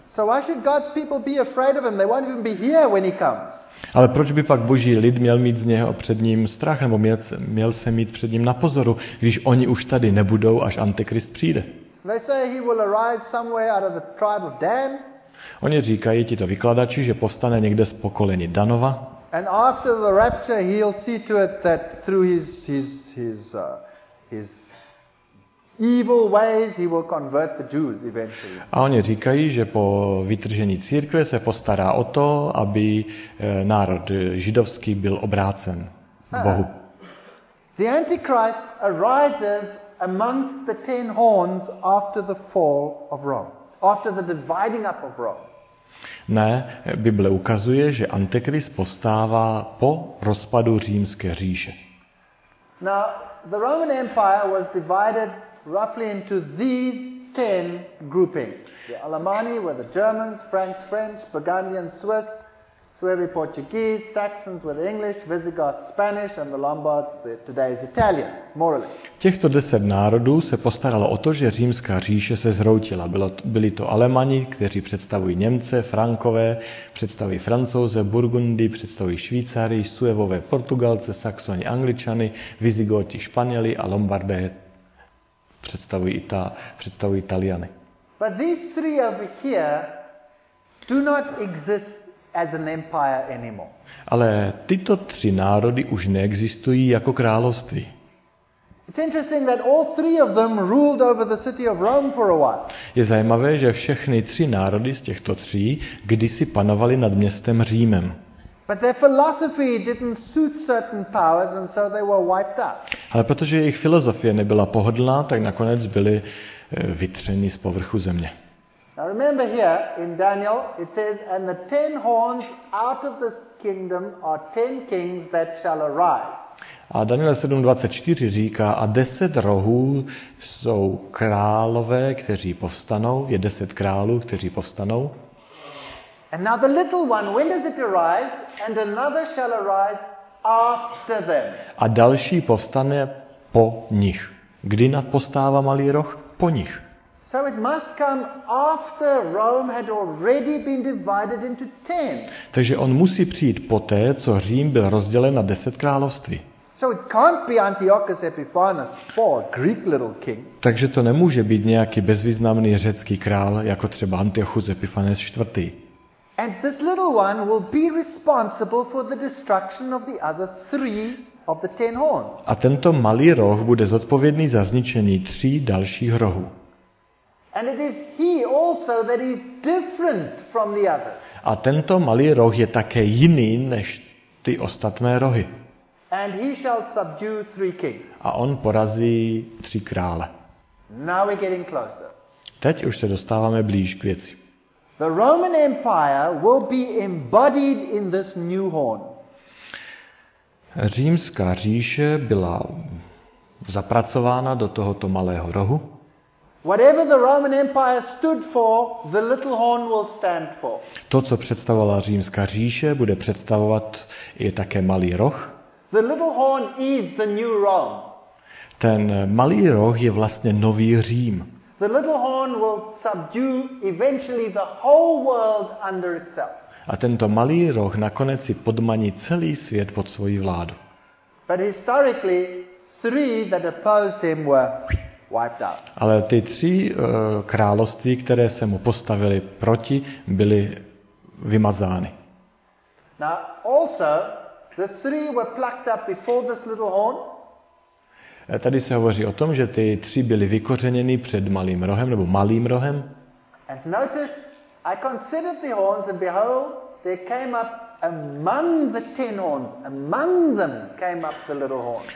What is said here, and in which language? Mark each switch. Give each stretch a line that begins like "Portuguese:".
English: So why should God's people be afraid of him? They won't even be here when he comes.
Czech: Ale proč by pak Boží lid měl mít z něho před ním strach, nebo měl se mít před ním na pozoru, když oni už tady nebudou, až Antikrist přijde?
English: They say he will arise somewhere out of the tribe of Dan.
Czech: Oni říkají, tito vykladači, že povstane někde z pokolení Danova.
English: And after the rapture he'll see to it that through his evil ways he will convert the Jews eventually.
Czech: A oni říkají, že po vytržení církve se postará o to, aby národ židovský byl obrácen Bohu.
English: The Antichrist arises amongst the ten horns after the fall of Rome, after the dividing up of Rome.
Czech: Ne, Bible ukazuje, že Antikrist postává po rozpadu římské říše.
English: Now, the Roman Empire was divided roughly into these 10 groupings. The Alemanni were the Germans, Franks, French, Burgundians, Swiss, Suevi, Portuguese, Saxons were the English, Visigoths, Spanish, and the Lombards, the today's Italians, more or less.
Czech: Těchto 10 národů se postaralo o to, že římská říše se zhroutila. Byli to Alemani, kteří představují Němce, Frankové, představují Francouze, Burgundy, představují Švýcary, Suevové, Portugalce, Saxoni, Angličany, Visigoti, Španěli a Lombardé, představují Italiany.
English: But these three over here do not exist as an empire anymore.
Czech: Ale tyto tři národy už neexistují jako království.
English: It's interesting that all three of them ruled over the city of Rome for a while.
Czech: Je zajímavé, že všechny tři národy z těchto tří kdysi panovali nad městem Římem.
English: But their philosophy didn't suit certain powers and so they were wiped out.
Czech: Ale protože jejich filozofie nebyla pohodlná, tak nakonec byli vytřeni z povrchu země.
English: Now remember here in Daniel it says and the 10 horns out of this kingdom are 10 kings that shall arise.
Czech: A Daniel 7:24 říká a 10 rohů jsou králové, kteří povstanou, je 10 králů, kteří povstanou.
English: And now the little one, when does it arise? And another shall arise after them.
Czech: A další povstane po nich. Kdy nadpostává malý roh? Po nich.
English: So it must come after Rome had already been divided into 10.
Czech: Takže on musí přijít poté, co Řím byl rozdělen na 10 království.
English: So it can't be Antiochus Epiphanes, poor Greek little king.
Czech: Takže to nemůže být nějaký bezvýznamný řecký král, jako třeba Antiochus Epiphanes IV.
English: And this little one will be responsible for the destruction of the other three of the 10 horns.
Czech: A tento malý roh bude zodpovědný za zničení tří dalších rohů.
English: And it is he also that is different from the others.
Czech: A tento malý roh je také jiný než ty ostatné rohy.
English: And he shall subdue three kings.
Czech: A on porazí tři krále.
English: Now we're getting closer.
Czech: Teď už se dostáváme blíž k věci.
English: The Roman Empire will be embodied in this new horn.
Czech: Římská říše byla zapracována do tohoto malého rohu.
English: Whatever the Roman Empire stood for, the little horn will stand for.
Czech: To, co představovala římská říše, bude představovat i také malý roh.
English: The little horn is the new Rome.
Czech: Ten malý roh je vlastně nový Řím.
English: The little horn will subdue eventually the whole world under itself.
Czech: A tento malý roh nakonec si podmaní celý svět pod svoji vládu.
English: But historically, three that opposed him were wiped out.
Czech: Ale ty tři království, které se mu postavili proti, byly vymazány.
English: Now also, the three were plucked up before this little horn.
Czech: Tady se hovoří o tom, že ty tři byly vykořeněny před malým rohem nebo malým rohem.
English: And notice, I considered the horns and behold, there came up among the ten horns, among them came up the little horn.